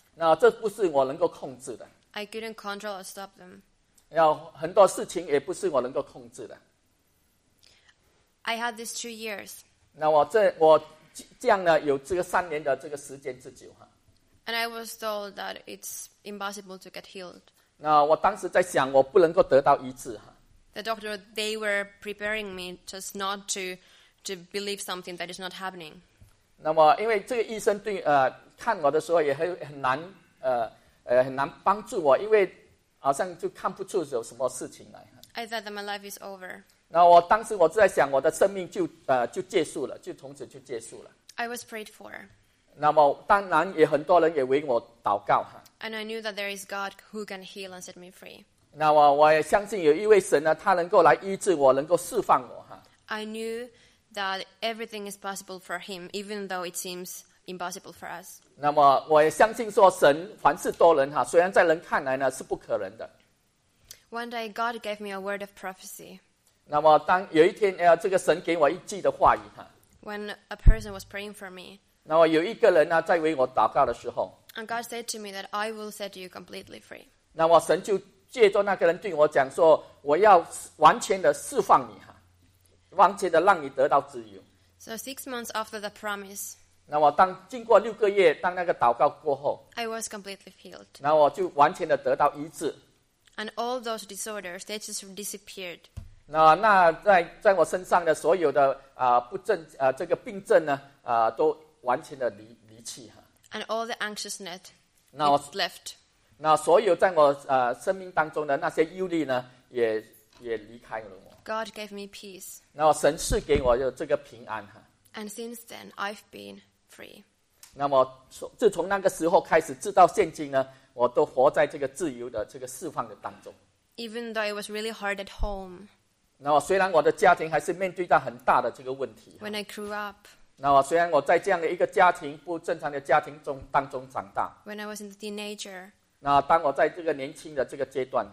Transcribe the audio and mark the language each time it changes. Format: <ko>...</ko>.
<zh>那这不是我能够控制的。</zh> <en>I couldn't control or stop them.</en> <zh>要很多事情也不是我能够控制的。</zh> <en>I had these 2 years.</en> <zh>那我这样呢有这个三年的这个时间之久。</zh> <en>And I was told that it's impossible to get healed.</en> <zh>那我当时在想我不能够得到医治。</zh> <en>The doctor, they were preparing me just not to believe something that is not happening.</en> <zh>那么因为这个医生对看我的时候也很难帮助我，因为好像就看不出有什么事情来。</zh> <en>I thought that my life is over.</en> <zh>那我当时我就在想，我的生命就结束了，就从此就结束了。</zh> <en>I was prayed for.</en> <zh>那么当然也很多人也为我祷告。</zh> <en>And I knew that there is God who can heal and set me free.</en> <zh>那我也相信有一位神呢，他能够来医治我，能够释放我。</zh> <en>I knew that everything is possible for Him, even though it seems impossible for us.</en> <zh>那么我也相信说神凡事都能，虽然在人看来呢是不可能的。</zh> <en>One day, God gave me a word of prophecy.</en> <zh>那么当有一天，这个神给我一句的话语。</zh> <en>When a person was praying for me.</en> <zh>那么有一个人呢，在为我祷告的时候。</zh> <en>And God said to me that I will set you completely free.</en> <zh>那么神就借着那个人对我讲说，我要完全的释放你，完全的让你得到自由。</zh> <en>So 6 months after the promise.</en> <zh>那么当经过六个月，当那个祷告过后。</zh> <en>I was completely healed.</en> <zh>那我就完全的得到医治。</zh> <en>And all those disorders, they just disappeared.</en> <zh>那在我身上的所有的不正这个病症呢都完全的离去哈。</zh> <en>And all the anxiousness, left.</en> <zh>那所有在我生命当中的那些忧虑呢，也离开了我。</zh> <en>God gave me peace.</en> <zh>那神赐给我这个平安哈。</zh> <en>And since then, I've been free.</en> <zh>那么自从那个时候开始，直到现今呢。我都活在这个自由的这个释放的当中。</zh> <en>Even though it was really hard at home.</en> <zh>那么虽然我的家庭还是面对到很大的这个问题。</zh> <en>When I grew up.</en> <zh>那么虽然我在这样的一个家庭不正常的家庭中当中长大。</zh> <en>When I was in the teenager.</en> <zh>那当我在这个年轻的这个阶段。</zh>